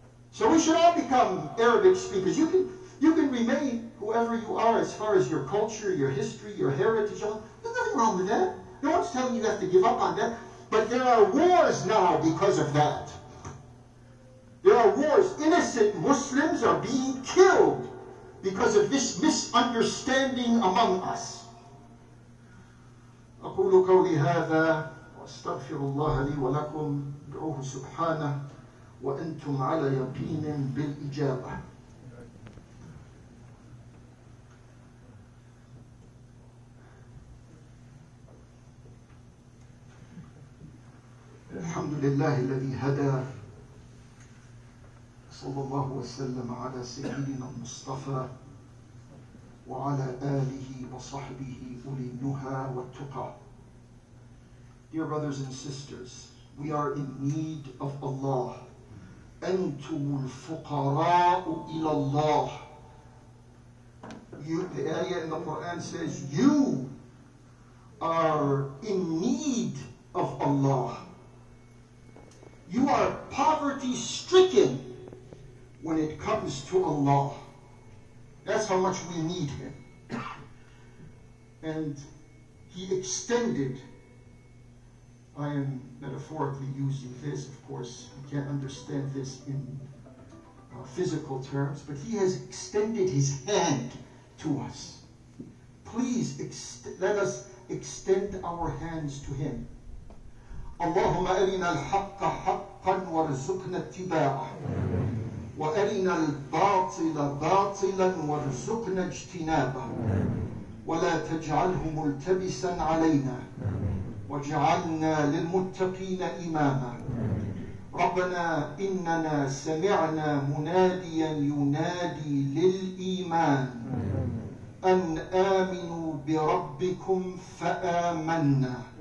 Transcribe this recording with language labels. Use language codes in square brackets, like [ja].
[en] So we should all become Arabic speakers. You can remain whoever you are as far as your culture, your history, your heritage, all. There's nothing wrong with that. No one's telling you you have to give up on that. But there are wars now because of that. There are wars. Innocent Muslims are being killed because of this misunderstanding among us. [ar] أقول قولي هذا وأستغفر الله لي ولكم دعوه سبحانه وأنتم على يقين بالإجابة. الحمد لله الذي هدى صلى الله وسلم على سيدنا المصطفى وعلى آله وصحبه أولي النهى والتقى. [en] Dear brothers and sisters, we are in need of Allah. [ar] أنتم الفقراء إلى الله. [en] The ayah in the Quran says, you are in need of Allah. You are poverty stricken when it comes to Allah. That's how much we need Him. And He extended, I am metaphorically using this, of course, you can't understand this in physical terms, but He has extended His hand to us. Please let us extend our hands to Him. [ar] اللهم أرنا الحق حقا وارزقنا اتباعه وأرنا الباطل باطلا وارزقنا اجتنابه ولا تجعله ملتبسا علينا واجعلنا للمتقين إماما ربنا إننا سمعنا مناديا ينادي للإيمان أن آمنوا بربكم فآمنا